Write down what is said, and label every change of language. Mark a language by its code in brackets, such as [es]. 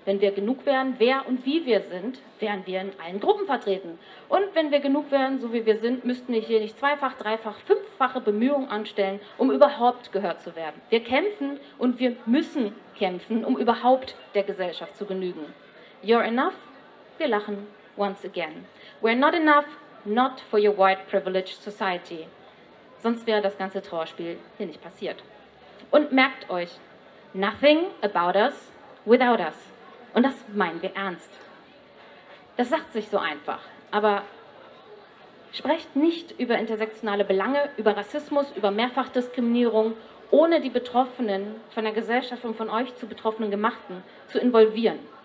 [de] Wenn wir genug wären, wer und wie wir sind, wären wir in allen Gruppen vertreten. Und wenn wir genug wären, so wie wir sind, müssten wir hier nicht zweifach, dreifach, fünffache Bemühungen anstellen, um überhaupt gehört zu werden. Wir kämpfen und wir müssen kämpfen, um überhaupt der Gesellschaft zu genügen. [en] You're enough? [de] Wir lachen [en] once again. We're not enough, not for your white privileged society. [de] Sonst wäre das ganze Trauerspiel hier nicht passiert. Und merkt euch, [en] nothing about us without us. [de] Und das meinen wir ernst. Das sagt sich so einfach. Aber sprecht nicht über intersektionale Belange, über Rassismus, über Mehrfachdiskriminierung, ohne die Betroffenen von der Gesellschaft und von euch zu betroffenen Gemachten zu involvieren.